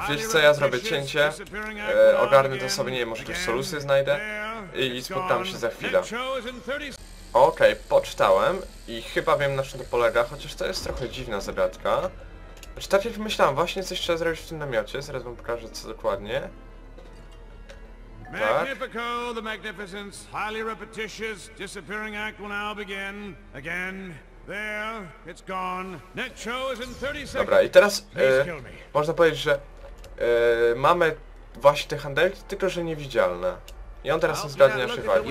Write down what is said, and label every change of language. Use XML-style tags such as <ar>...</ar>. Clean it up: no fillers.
<pl>Wiesz co, ja zrobię cięcie, ogarnę to sobie, nie wiem, może jakieś solucje znajdę i spotkam się za chwilę. Okej, poczytałem i chyba wiem, na czym to polega, chociaż to jest trochę dziwna zagadka. Znaczy, tak jak myślałem, właśnie coś trzeba zrobić w tym namiocie, zaraz wam pokażę co dokładnie.</pl> <en>Magnifico, the magnificence, highly repetitious, disappearing act will now begin, again. There, it's gone. Next show is in 30 seconds.</en> <pl>Dobra, i teraz można powiedzieć, że mamy właśnie te handelki, tylko że niewidzialne. I on teraz zgadnie naszej wagi.</pl>